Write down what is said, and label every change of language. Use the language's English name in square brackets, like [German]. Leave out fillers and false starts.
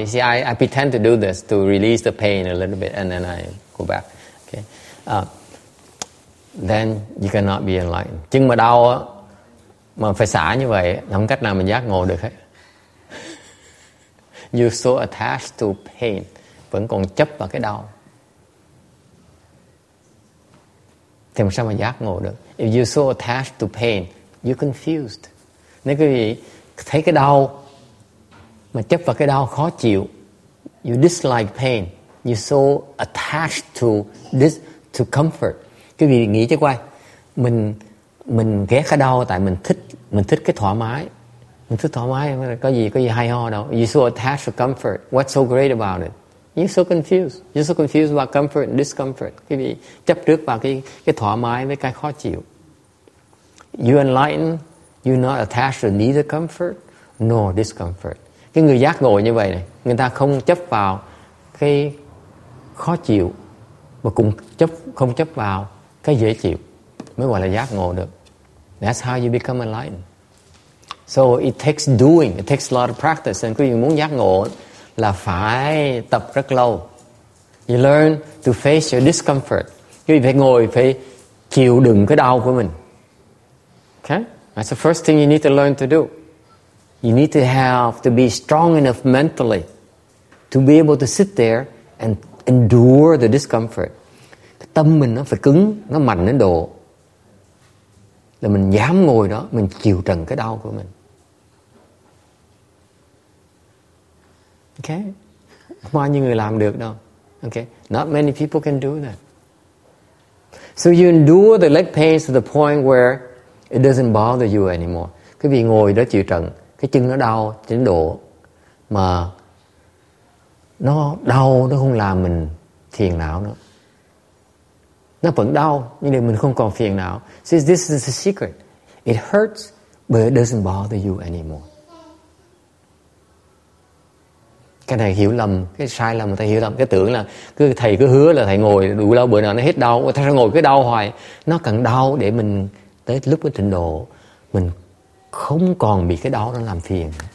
[English] See, I pretend to do this to release the pain a little bit and then I go back. Okay. Then you cannot be enlightened. [Vietnamese] Chân mà đau á, mà phải xả như vậy, không cách nào mình giác ngộ được hết. [English] You're so attached to pain, [Vietnamese] vẫn còn chấp vào cái đau. Thì làm sao mà giác ngộ được? [English] If you're so attached to pain, you're confused. [Vietnamese] Nếu quý vị thấy cái đau mà chấp vào cái đau khó chịu, [English] you dislike pain, you're so attached to this, to comfort. [Vietnamese] Quý vị nghĩ chứ quay, mình mình ghét ở đâu, tại mình thích cái thoải mái. Mình thích thoải mái, có gì hay ho đâu. [English] You're so attached to comfort. What's so great about it? You're so confused. You're so confused about comfort and discomfort. [Vietnamese] Quý vị chấp trước vào cái thoải mái với cái khó chịu. [English] You're enlightened. You're not attached to neither comfort nor discomfort. [Vietnamese] Cái người giác ngộ như vậy này, người ta không chấp vào cái khó chịu mà cũng không chấp vào cái dễ chịu, mới gọi là giác ngộ được. [English] That's how you become enlightened. So it takes doing, it takes a lot of practice. [Vietnamese] And quý vị muốn giác ngộ là phải tập rất lâu. [English] You learn to face your discomfort. [Vietnamese] Quý vị phải ngồi, phải chịu đựng cái đau của mình. [English] Okay? That's the first thing you need to learn to do. You need to have to be strong enough mentally to be able to sit there and endure the discomfort. [Vietnamese] Cái tâm mình nó phải cứng, nó mạnh đến độ là mình dám ngồi đó, mình chịu trần cái đau của mình. Okay? Không bao nhiêu người làm được đâu. [English] Okay? Not many people can do that. So you endure the leg pain to the point where it doesn't bother you anymore. [Vietnamese] Quý vị ngồi đó chịu trần, cái chân nó đau đến độ mà nó đau, nó không làm mình phiền não nữa. Nó vẫn đau, nhưng mà mình không còn phiền não. [English] So this is the secret. It hurts, but it doesn't bother you anymore. [Vietnamese] Cái này hiểu lầm, cái sai lầm người ta hiểu lầm. Cái tưởng là cứ thầy cứ hứa là thầy ngồi đủ lâu bữa nào nó hết đau. Thầy sẽ ngồi cứ đau hoài. Nó cần đau để mình tới lúc cái trình độ mình không còn bị cái đau nó làm phiền.